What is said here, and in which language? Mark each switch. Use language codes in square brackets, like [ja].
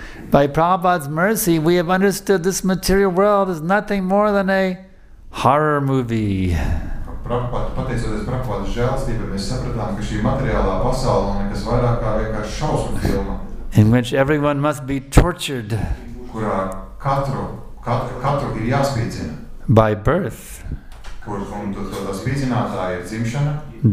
[en] By Prabhupada's mercy, we have understood this material world is nothing more than a horror movie. [lv] Pateicoties Prabhupādas žēlstībai, mēs sapratām, ka šī materiālā pasaule ir nekas vairāk kā vienkārši šausmu filma. [en] In which everyone must be tortured. [lv] Kurā katru ir jāspīdzina. [en] By birth. [lv] Kur tā spīdzinātāja ir dzimšana.